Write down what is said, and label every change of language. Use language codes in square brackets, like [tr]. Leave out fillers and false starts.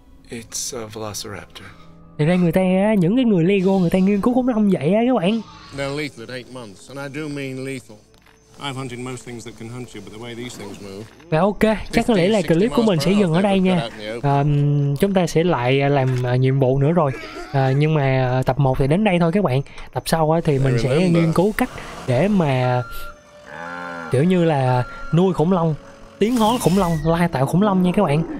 [en] It's a velociraptor. [vi] Thì ra người ta, những cái người Lego người ta nghiên cứu khủng long vậy á các bạn. [en] They're lethal at 8 months, and I do mean lethal. I've hunted most things that can hunt you, but the way these things move. [vi] Ok, chắc có lẽ là clip của mình sẽ dừng ở đây nha. Chúng ta sẽ lại làm nhiệm vụ nữa rồi. Nhưng mà tập 1 thì đến đây thôi các bạn. Tập sau thì mình sẽ nghiên cứu cách để mà kiểu như là nuôi khủng long, tiến hóa khủng long, lai tạo khủng long nha các bạn.